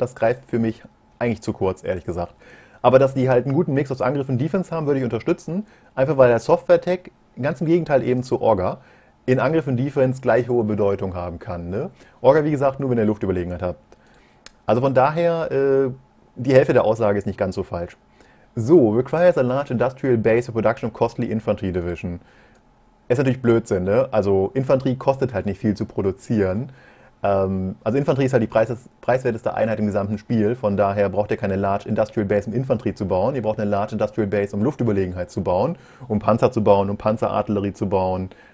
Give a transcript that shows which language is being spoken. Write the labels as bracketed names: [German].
[German] Das greift für mich eigentlich zu kurz, ehrlich gesagt. Aber dass die halt einen guten Mix aus Angriff und Defense haben, würde ich unterstützen. Einfach weil der Software-Tag, ganz im Gegenteil eben zu Orga, in Angriff und Defense gleich hohe Bedeutung haben kann. Ne? Orga, wie gesagt, nur wenn ihr Luftüberlegenheit habt. Also von daher, die Hälfte der Aussage ist nicht ganz so falsch. [English] So, requires a large industrial base for production of costly infantry division. [German] Ist natürlich Blödsinn, ne? Also Infanterie kostet halt nicht viel zu produzieren. Also Infanterie ist halt die preiswerteste Einheit im gesamten Spiel. Von daher braucht ihr keine Large Industrial Base, um Infanterie zu bauen. Ihr braucht eine Large Industrial Base, um Luftüberlegenheit zu bauen, um Panzer zu bauen, um Panzerartillerie zu bauen.